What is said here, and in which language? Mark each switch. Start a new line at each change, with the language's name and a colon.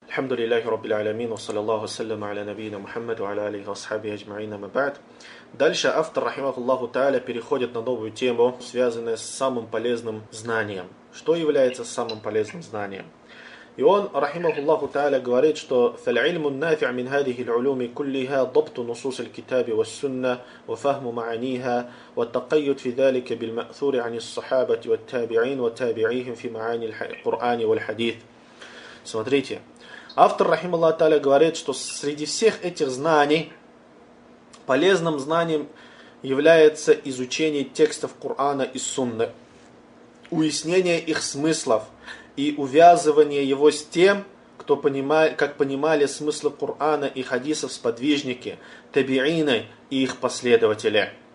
Arabic: الحمد لله رب العالمين وصلى الله وسلم على نبينا محمد وعلى آله وصحبه أجمعين ما بعد.
Russian: Дальше автор,
Arabic: رحمه الله تعالى,
Russian: переходит на новую тему, связанную с самым полезным знанием. Что является самым полезным знанием? И он,
Arabic: رحمه الله تعالى,
Russian: говорит, что
Arabic: فالعلم النافع من هذه العلوم كلها ضبط نصوص الكتاب والسنة وفهم معانيها والتقيد في ذلك بالمأثور عن الصحابة والتابعين وتابعيهم في معاني القرآن والحديث.
Russian: Смотрите, автор, рахим Аллах Таля, говорит, что среди всех этих знаний полезным знанием является изучение текстов Корана и Сунны, уяснение их смыслов и увязывание его с тем, кто понимает, как понимали смыслы Корана и хадисов сподвижники, табиины и их последователи.